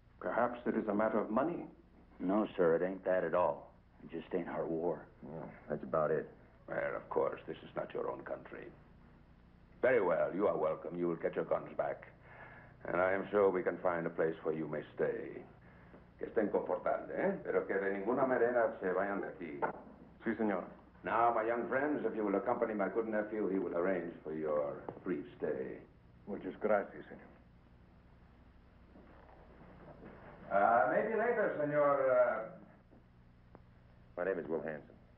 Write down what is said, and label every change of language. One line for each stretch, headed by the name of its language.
English: Perhaps it is a matter of money. No, sir, it ain't that at all. It just ain't our war. Yeah, that's about it. Well, of course, this is not your own country. Very well, you are welcome. You will get your guns back. And I am sure we can find a place where you may stay.
Spanish: Que estén confortables, eh? Pero que de ninguna manera se vayan de aquí. Sí, señor.
English: Now, my young friends, if you will accompany my good nephew, he will arrange for your brief stay.
Spanish: Muchas gracias, señor.
English: Maybe later, señor. My name is Will Hansen.